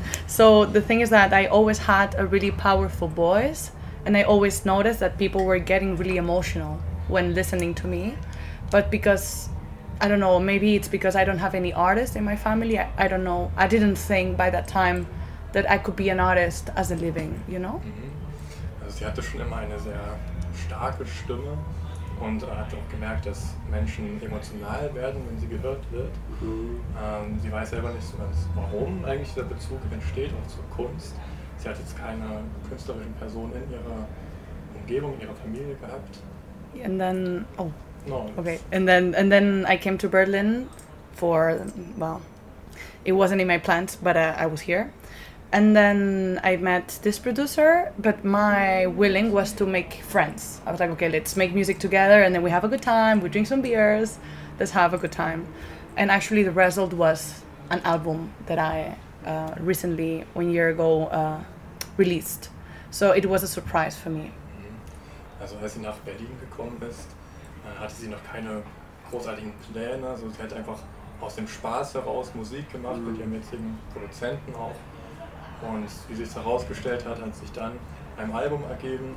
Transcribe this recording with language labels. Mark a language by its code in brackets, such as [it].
[en] So the thing is that I always had a really powerful voice, and I always noticed that people were getting really emotional when listening to me. But because, I don't know, maybe it's because I don't have any artists in my family. I don't know. I didn't think by that time that I could be an artist as a living, you know? Mm-hmm. [de] Also sie hatte schon immer eine sehr starke Stimme und hat auch gemerkt, dass Menschen emotional werden, wenn sie gehört wird. Mhm. Sie weiß selber nicht so ganz, warum eigentlich dieser Bezug entsteht, auch zur Kunst. Sie hat jetzt keine künstlerischen Personen in ihrer Umgebung, in ihrer Familie gehabt. [en] And then, no. Okay, and then I came to Berlin for, well, it wasn't in my plans, but I was here. And then I met this producer, but my willing was to make friends. I was like, okay, let's make music together, and then we have a good time, we drink some beers, let's have a good time. And actually the result was an album that I recently, 1 year ago, released. So it was a surprise for me. [de] Also als sie nach Berlin gekommen ist, hatte sie noch keine großartigen Pläne. Also sie hat einfach aus dem Spaß heraus Musik gemacht mit ihrem jetzigen Produzenten auch. Und wie sie es herausgestellt hat, hat sich dann ein Album ergeben.